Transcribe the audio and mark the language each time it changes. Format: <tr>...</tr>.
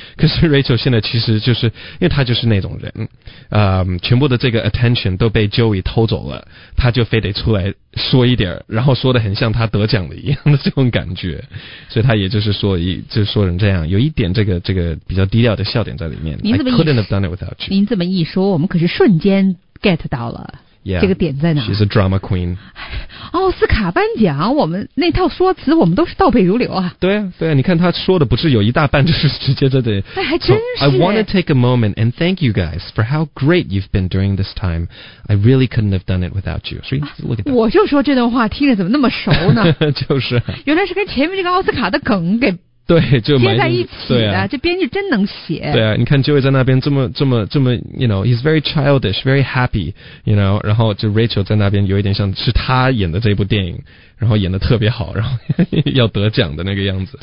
<zh>可是 Rachel 现在其实就是，因为她就是那种人，全部的这个 attention 都被 Joey 偷走了，她就非得出来说一点，然后说的很像她得奖了一样的这种感觉，所以她也就是说就说成这样，有一点这个比较低调的笑点在里面。您怎么</zh> <en>I couldn't have done it without you.</en> <zh>您这么一说，我们可是瞬间 get 到了</zh> <en>yeah,</en> <zh>这个点在哪？</zh> <en>She's a drama queen.</en> <zh>奥斯卡颁奖，我们那套说辞我们都是倒背如流啊。对啊，对啊，你看他说的不是有一大半就是直接在这里。哎，还真是。</zh> <en>So, I want to take a moment and thank you guys for how great you've been during this time. I really couldn't have done it without you. So, look at that.</en> <zh>我就说这段话听着怎么那么熟呢？就是、啊。原来是跟前面这个奥斯卡的梗给。对，就接在一起的，对、这编剧真能写。对啊，你看 Joey 在那边这么 ，</zh> <en>you know，he's very childish, very happy，you know，</en> <zh>然后就 Rachel 在那边有一点像是他演的这部电影，然后演的特别好，然后要得奖的那个样子，</zh>